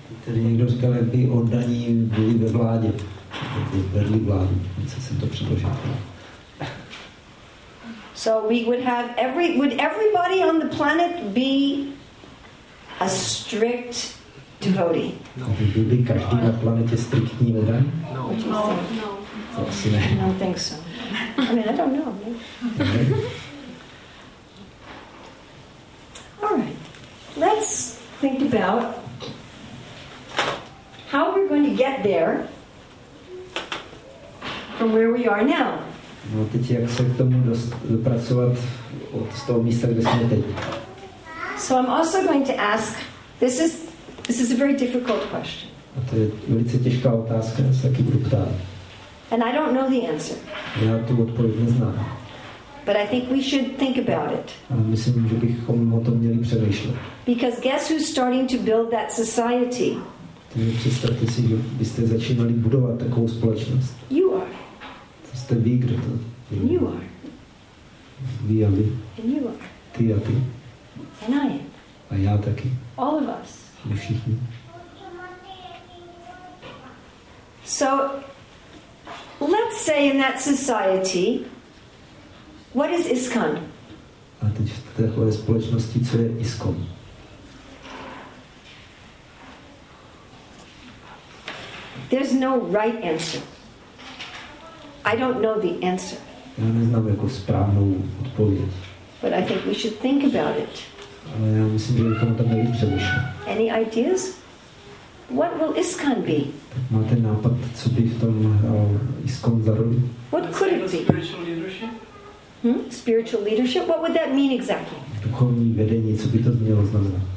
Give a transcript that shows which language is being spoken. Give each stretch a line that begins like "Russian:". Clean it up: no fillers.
Czech: Tady někdo říkal, jak by oddaní byli ve vládě. Jak by vedli vládu. Co jsem to předložil.
English: So we would have everybody on the planet be a strict devotee? No.
Czech: By každý na planetě striktní vedaní? No. To asi ne.
English: I don't think so. I mean, I don't know. All right. Let's think about how we're going to get there from where we are now.
Czech: No, teď jak se k tomu dopracovat od toho místa, kde jsme teď.
English: So I'm also going to ask, this is a very difficult question.
Czech: A to je velice těžká otázka, já se taky budu ptát.
English: And I don't know the answer.
Czech: Já tu odpověď neznám.
English: But I think we should think about it.
Czech: A myslím, že bychom o tom měli přemýšlet.
English: Because guess who's starting to build that society?
Czech: Takže představte si, že byste začínali budovat takovou společnost.
English: You are.
Czech: To jste vy, kdo to.
English: And you are.
Czech: Vy a vy.
English: And you are.
Czech: Ty a ty.
English: And I am.
Czech: A já taky.
English: All of us.
Czech: My všichni.
English: So let's say in that society, what is ISKCON?
Czech: A teď v téhle společnosti, co je ISKCON?
English: There's no right answer. I don't know the answer.
Czech: Já neznám jako správnou odpověď.
English: But I think we should think about it.
Czech: Ale já myslím, že bychom tam měli přemýšlet.
English: Any ideas? What will ISKCON be?
Czech: Tak máte nápad, co by v tom ISKCON za roli?
English: What could it be? Spiritual leadership? Hmm? Spiritual leadership? What would that mean exactly?
Czech: Duchovní vedení, co by to mělo znamenat?